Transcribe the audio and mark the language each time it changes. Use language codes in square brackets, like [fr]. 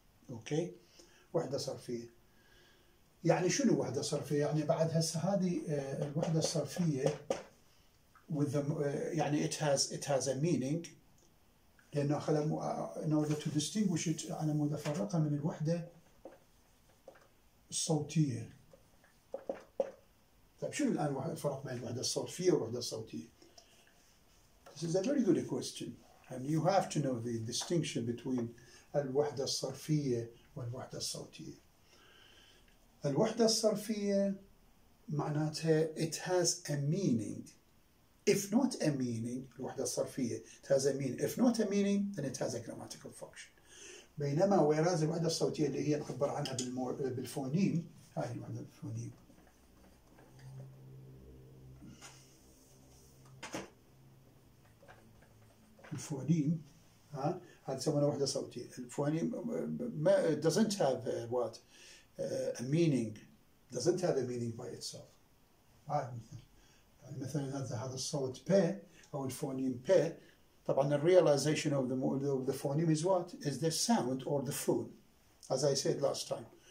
[ar] اوكي، وحده صرفيه يعني شنو؟ وحده صرفيه يعني بعد هسه هذه الوحده الصرفيه [en] with the [ar] يعني [en] it has a meaning. [ar] لانه خلينا [en] in order to distinguish it [ar] على مود افرقها من الوحده الصوتيه. طيب شنو الان الفرق بين الوحده الصرفيه والوحده الصوتيه؟ [en] This is a very good question. And you have to know the distinction between [ar] الوحدة الصرفية والوحدة الصوتية. الوحدة الصرفية معناتها [en] it has a meaning. If not a meaning, الوحدة الصرفية it has a meaning. If not a meaning, then it has a grammatical function. [ar] بينما [en] whereas [ar] الوحدة الصوتية اللي هي نعبر عنها بالفونيم، هاي الوحدة الفونيم. الفونيم ها هذا يسمونه وحده صوتيه. الفونيم ما [en] doesn't have what a meaning, doesn't have a meaning by itself. [ar] مثلا هذا الصوت ب او الفونيم ب، طبعا [en] the realization of the phoneme is what is the sound or the phone as I said last time.